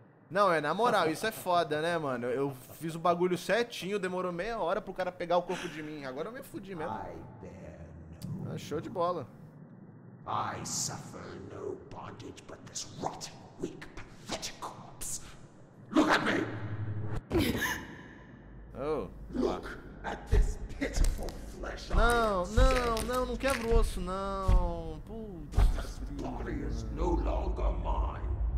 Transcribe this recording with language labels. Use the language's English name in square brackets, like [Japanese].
[Portuguese] Não, é na moral, isso é foda, né, mano? Eu fiz o bagulho certinho, demorou meia hora pro cara pegar o corpo de mim. Agora eu me fudi mesmo. [English] I bear no [Portuguese] ah, show de bola. [English] I suffer no bondage but this rotten, weak, pathetic corpse. Look at me. Oh. Look at this pitiful flesh. [Portuguese] Não, não, não, não quebra o osso, não. Putz. [English] This body is no longer mine.